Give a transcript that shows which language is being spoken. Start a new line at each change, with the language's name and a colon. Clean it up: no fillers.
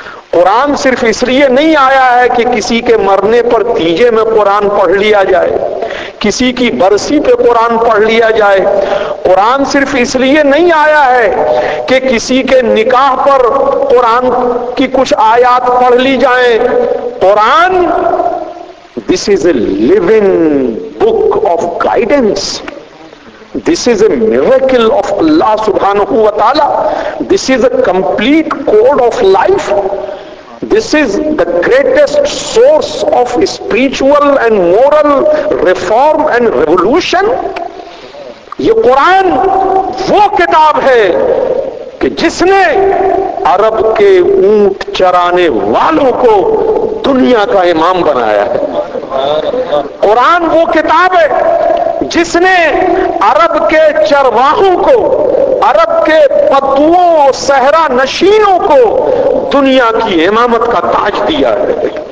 Urdu: قرآن صرف اس لیے نہیں آیا ہے کہ کسی کے مرنے پر تیجے میں قرآن پڑھ لیا جائے, کسی کی برسی پہ قرآن پڑھ لیا جائے. قرآن صرف اس لیے نہیں آیا ہے کہ کسی کے نکاح پر قرآن کی کچھ آیات پڑھ لی جائیں.
English: Quran, this is a living book of guidance, this is a miracle of Allah سبحانہ وتعالی, this is a complete code of life, this is the greatest source of spiritual and moral reform and revolution.
Urdu: یہ قرآن وہ کتاب ہے کہ جس نے عرب کے اونٹ چرانے والوں کو دنیا کا امام بنایا ہے. قرآن وہ کتاب ہے جس نے عرب کے چرواہوں کو, عرب کے پتوؤں صحرا نشینوں کو دنیا کی امامت کا تاج دیا ہے.